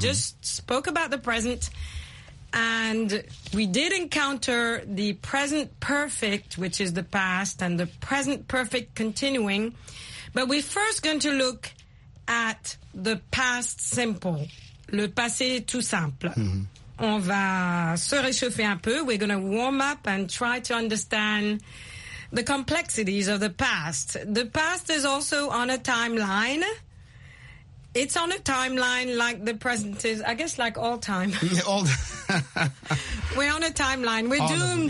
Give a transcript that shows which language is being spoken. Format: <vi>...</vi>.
<en>just spoke about the present. And we did encounter the present perfect, which is the past, and the present perfect continuing. But we're first going to look at the past simple,</en> <fr>le passé tout simple.</fr> <en>Mm-hmm.</en> <fr>On va se réchauffer un peu.</fr> <en>We're going to warm up and try to understand the complexities of the past. The past is also on a timeline. It's on a timeline like the present is, I guess, like all time. We're on a timeline. We're doomed.</en>